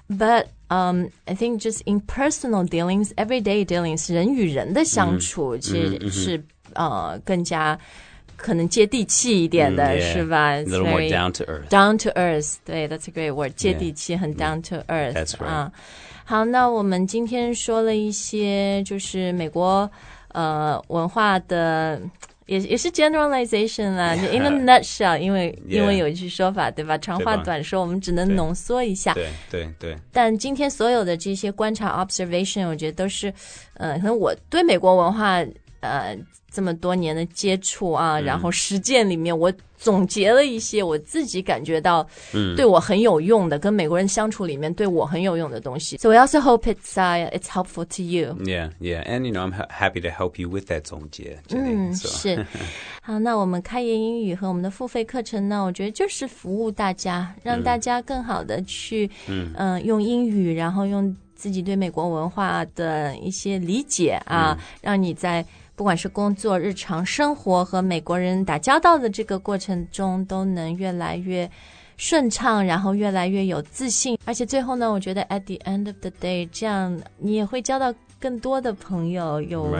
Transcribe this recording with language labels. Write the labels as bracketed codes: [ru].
[en] but I think just in personal dealings everyday dealings [zh] 人与人的相处、 mm-hmm. 其实是、 mm-hmm. 更加可能接地气一点的、 mm-hmm. 是吧 [en] a little more down to earth 对 that's a great word 接地气、 yeah. 很 down to earth that's right、 [zh] 好那我们今天说了一些就是美国文化的也是 generalization 啦、 [en] yeah. in a nutshell [zh] 因为、 [en] yeah. [zh] 因为有一句说法对吧长话短说我们只能浓缩一下对对 对但今天所有的这些观察 observation 我觉得都是可能我对美国文化这么多年的接触啊、嗯、然后实践里面我总结了一些我自己感觉到对我很有用的、嗯、跟美国人相处里面对我很有用的东西 [en] So I also hope it's helpful to you Yeah, yeah, and you know I'm happy to help you with that 总结 Jenny, [zh] 是好那我们开言英语和我们的付费课程呢我觉得就是服务大家让大家更好的去用英语然后用自己对美国文化的一些理解啊、让你在不管是工作日常生活和美国人打交道的这个过程中都能越来越顺畅然后越来越有自信而且最后呢我觉得 [en] at the end of the day [zh] 这样你也会交到更多的朋友有、